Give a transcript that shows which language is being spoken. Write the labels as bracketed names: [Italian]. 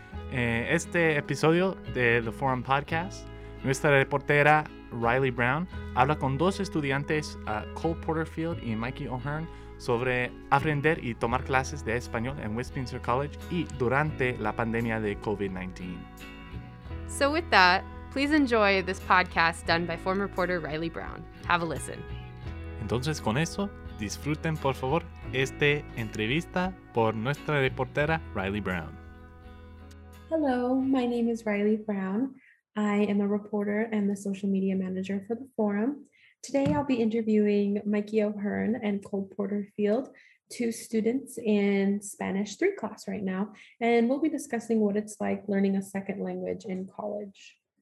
[Spanish] En este episodio de The Forum Podcast, nuestra reportera Rylee Brown habla con dos estudiantes, Cole Porterfield y Mikey O’Hearn, sobre aprender y tomar clases de español en Westminster College y durante la pandemia de COVID-19. [English] So with that, please enjoy this podcast done by Forum reporter Rylee Brown. Have a listen. [Spanish] Entonces, con eso, disfruten, por favor, esta entrevista por nuestra reportera, Rylee Brown. [English] Hello, my name is Rylee Brown. I am a reporter and the social media manager for The Forum. Today, I'll be interviewing Mikey O’Hearn and Cole Porterfield, two students in Spanish 3 class right now, and we'll be discussing what it's like learning a second language in college.